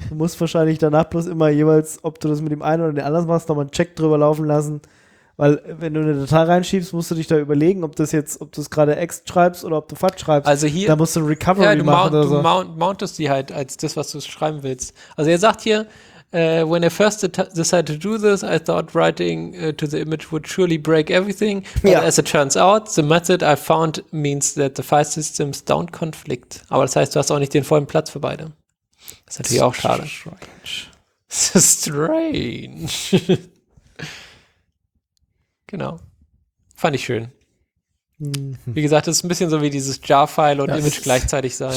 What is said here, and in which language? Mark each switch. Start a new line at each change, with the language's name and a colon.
German: Du musst wahrscheinlich danach bloß immer jeweils, ob du das mit dem einen oder dem anderen machst, nochmal einen Check drüber laufen lassen. Weil wenn du eine Datei reinschiebst, musst du dich da überlegen, ob du es gerade X schreibst oder ob du FAT schreibst. Also hier, da musst du ein Recovery machen. Mountest die halt als das, was du schreiben willst. Also er sagt hier,
English: when I first decided to do this, I thought writing to the image would surely break everything. But as it turns out, the method I found means that the file systems don't conflict.
German: Aber das heißt, du hast auch nicht den vollen Platz für beide. Das ist natürlich auch schade.
English: Strange. Strange.
German: genau. Fand ich schön. Mhm. Wie gesagt, das ist ein bisschen so wie dieses Jar-File und das Image gleichzeitig sein.